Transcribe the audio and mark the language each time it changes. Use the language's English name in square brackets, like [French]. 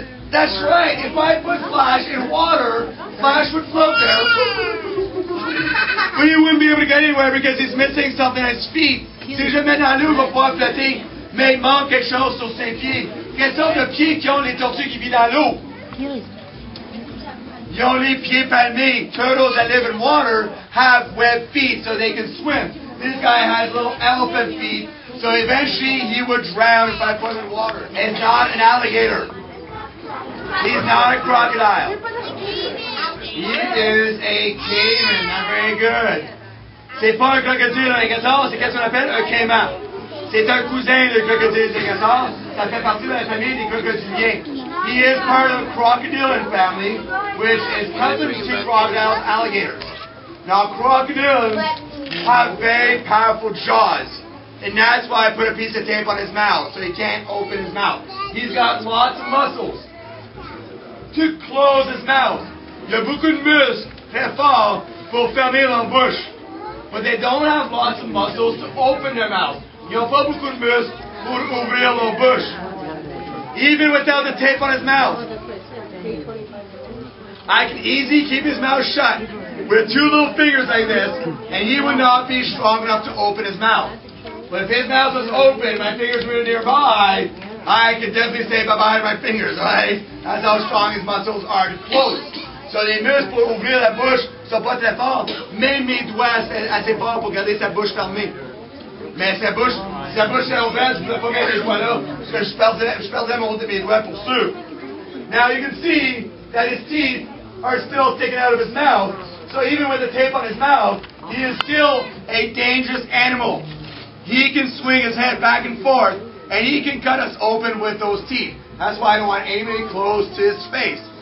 [English] That's right. If I put Flash in water, Flash would float there. But he wouldn't be able to get anywhere because he's missing something at his feet. [French] Si je mets dans l'eau, il va pouvoir flotter. Mais il manque quelque chose sur ses pieds. Quels sont les pieds qui ont les tortues qui vivent dans l'eau? Ils ont les pieds palmés. [English] Turtles that live in water have webbed feet so they can swim. This guy has little elephant feet, so eventually he would drown if I put him in water. And not an alligator. He's not a crocodile. He is a caiman. Not very good. [French] C'est pas un crocodile dans les gazelles, c'est qu'est-ce qu'on appelle un caiman. C'est un cousin de crocodile des gazelles. Ça fait partie de la famille des crocodiliens. [English] He is part of the crocodilian family, which is cousins to crocodiles, alligators. Now, crocodiles have very powerful jaws. And that's why I put a piece of tape on his mouth, so he can't open his mouth. He's got lots of muscles to close his mouth. [French] Il y a beaucoup de muscles très forts pour fermer leur bouche. [English] But they don't have lots of muscles to open their mouth. [French] Il y a pas beaucoup de muscles pour ouvrir leur bouche. [English] Even without the tape on his mouth, I can easily keep his mouth shut with two little fingers like this, and he would not be strong enough to open his mouth. But if his mouth was open, my fingers were nearby, I could definitely say bye-bye to my fingers, right? That's how strong his muscles are to close. [French] So les muscles pour ouvrir la bouche sont pas très forts. Même mes doigts sont assez forts pour garder sa bouche fermée. Mais si sa bouche est ouverte, je ne pourrais pas mettre les doigts là, parce que je perdrais mon haut de mes doigts pour sûr. [English] Now you can see that his teeth are still sticking out of his mouth. So even with the tape on his mouth, he is still a dangerous animal. He can swing his head back and forth, and he can cut us open with those teeth. That's why I don't want anybody close to his face.